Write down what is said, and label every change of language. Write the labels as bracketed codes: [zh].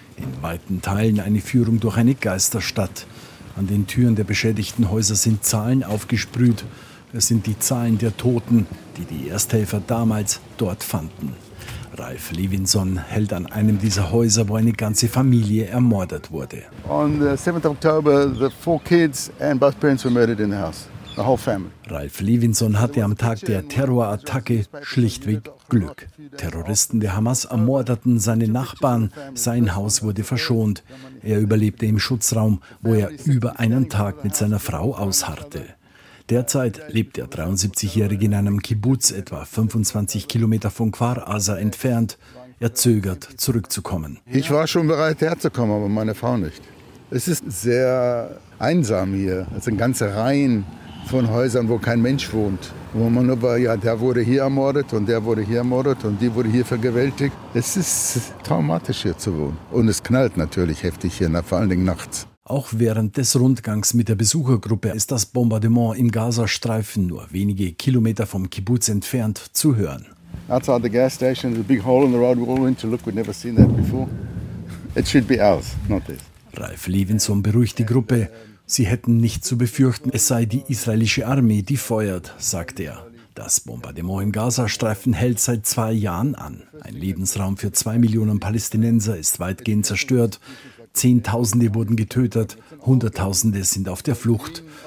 [de] In weiten Teilen eine Führung durch eine Geisterstadt. An den Türen der beschädigten Häuser sind Zahlen aufgesprüht. Es sind die Zahlen der Toten, die die Ersthelfer damals dort fanden. Ralph Levinson hält an einem dieser Häuser, wo eine ganze Familie ermordet wurde. [en] On the 7th October, the four kids and both parents were murdered in the house. The whole family. [de] Ralph Levinson hatte am Tag der Terrorattacke schlichtweg Glück. Terroristen der Hamas ermordeten seine Nachbarn. Sein Haus wurde verschont. Er überlebte im Schutzraum, wo er über einen Tag mit seiner Frau ausharrte. Derzeit lebt der 73-Jährige in einem Kibbuz etwa 25 Kilometer von Kfar Aza entfernt. Er zögert, zurückzukommen. Ich war schon bereit, herzukommen, aber meine Frau nicht. Es ist sehr einsam hier. Es sind ganze Reihen von Häusern, wo kein Mensch wohnt. Wo man nur war, ja, der wurde hier ermordet und der wurde hier ermordet und die wurde hier vergewaltigt. Es ist traumatisch, hier zu wohnen. Und es knallt natürlich heftig hier, vor allen Dingen nachts. Auch während des Rundgangs mit der Besuchergruppe ist das Bombardement im Gazastreifen nur wenige Kilometer vom Kibbuz entfernt zu hören. [en] Outside the gas station, a big hole in the road. We all went to look. We'd never seen that before. It should be ours, not this. [de] Ralph Levinson beruhigt die Gruppe. Sie hätten nichts zu befürchten. Es sei die israelische Armee, die feuert, sagt er. Das Bombardement im Gazastreifen hält seit zwei Jahren an. Ein Lebensraum für 2 Millionen Palästinenser ist weitgehend zerstört. Zehntausende wurden getötet, Hunderttausende sind auf der Flucht.